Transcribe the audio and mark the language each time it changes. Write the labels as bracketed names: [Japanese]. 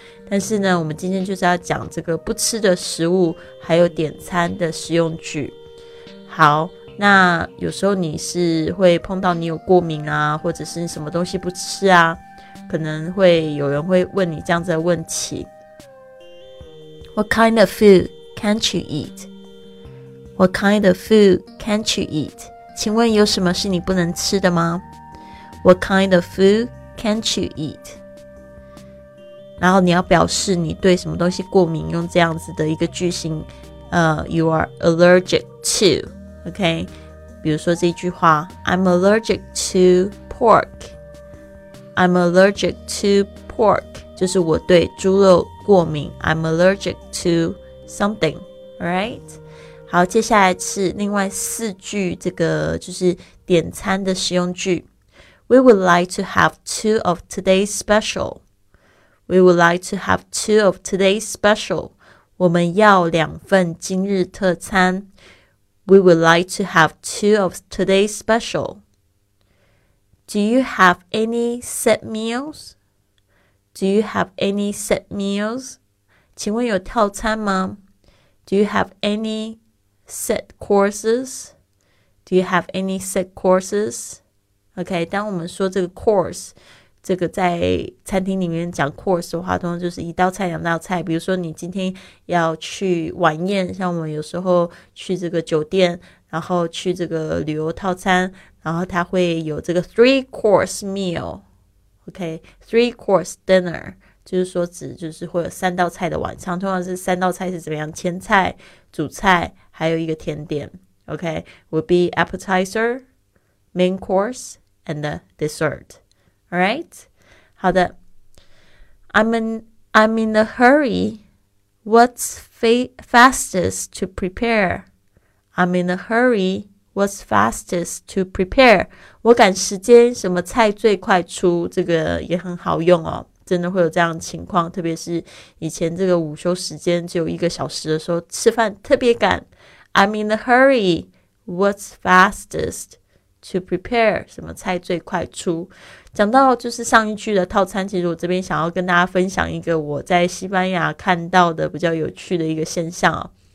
[Chinese] 但是呢我们今天就是要讲这个不吃的食物还有点餐的实用句。好，那有时候你是会碰到你有过敏啊，或者是什么东西不吃啊，可能会有人会问你这样子的问题， [English] What kind of food can't you eat? What kind of food can't you eat? [Chinese] 请问有什么是你不能吃的吗？ [English] What kind of food can't you eat? [Chinese] 然后你要表示你对什么东西过敏，用这样子的一个句型， [English] you are allergic to, [Chinese] OK? 比如说这句话， [English] I'm allergic to pork. I'm allergic to pork. [Chinese] 就是我对猪肉过敏， [English] I'm allergic to something, right? [Chinese] 好，接下来是另外四句，这个就是点餐的实用句。 [English] We would like to have two of today's special. We would like to have two of today's special. [Chinese] 我们要两份今日特餐。 [English] We would like to have two of today's special. Do you have any set meals? Do you have any set meals? [Chinese] 请问有套餐吗？ [English] Do you have anyset courses? Do you have any set courses? [Chinese] OK, 当我们说这个 course, 这个在餐厅里面讲 course 的话，通常就是一道菜两道菜，比如说你今天要去晚宴，像我们有时候去这个酒店，然后去这个旅游套餐，然后它会有这个 [English] three course meal, [Chinese] OK, [English] three course dinner, [Chinese] 就是说指就是会有三道菜的晚餐，通常是三道菜是怎么样，前菜、主菜还有一个甜点， OK, [English] would be appetizer, main course and the dessert, alright? [Chinese] 好的， [English] I'm in a hurry, what's fastest to prepare? I'm in a hurry, what's fastest to prepare? [Chinese] 我赶时间，什么菜最快出，这个也很好用哦，真的会有这样的情况，特别是以前这个午休时间只有一个小时的时候，吃饭特别赶。 [English] I'm in a hurry. What's fastest to prepare? [Chinese] 什么菜最快出？讲到就是上一句的套餐，其实我这边想要跟大家分享一个我在西班牙看到的比较有趣的一个现象哦。